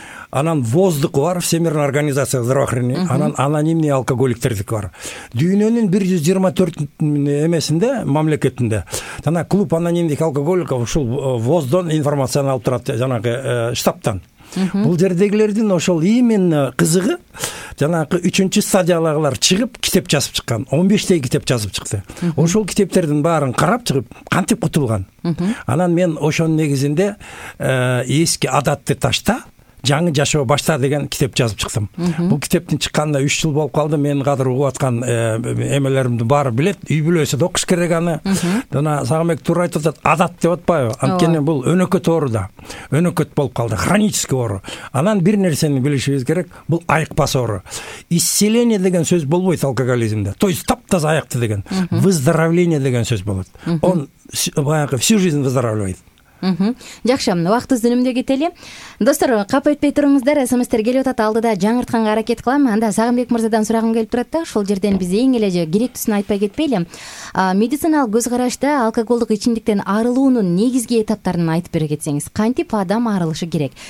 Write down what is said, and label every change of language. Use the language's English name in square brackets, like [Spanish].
[Kyrgyz] Анан воздуху бар, всемирная организация здравоохранения. Анан анонимный алкоголиктердик бар. Дүйнөнүн 124 эмесинде, мамлекетинде. Жана клуб анонимных алкоголиков ушул воздон информацияны алып турат жанагы штабтан. Бул жердегилердин ошол именно кызыгы жанакы үчүнчү стадиялагылар чыгып китеп жазып чыккан. 15-тей китеп жазып чыкты. Ошол китептердин баарын карап чыгып, кантип кутулган. Анан мен ошонун негизинде эски адатты ташта, жаңы жашоо башта деген китеп жазып чыктым. Бул китептин чыкканына 3 жыл болуп калды. Мен кадыр угуп аткан эмелеримдин баары билет, үй бүлөсө окуш керек аны. Жана Сагымбек туура айтып атат, адат деп атпайбы? Анткени бул өнөкөт оору да. Өнөкөт болуп калды, хронический оору. Анан бир нерсени билишибиз керек, бул айыкпас оору. Исцеление деген сөз болбойт алкоголизмде. То есть таптаза аякты деген. Выздоровление деген сөз болот. [Russian] Он [Kyrgyz] баягы [Russian] всю жизнь выздоравливает. [Kyrgyz] Жакшы, убактыбызды үнөмдөй кетели. Достор, капа өтпөй туруңуздар, СМС-тер келип атат, алдыда жаңыртканга аракет кылам. Анда Сагымбек мырзадан сурагым келип турат да, ошол жерден биз эң эле керектүүсүн айтпай кетпейли. Медициналык көз карашта алкоголдук ичимдиктен арылуунун негизги этаптарын айтып бере кетсеңиз, кантип адам арылышы керек?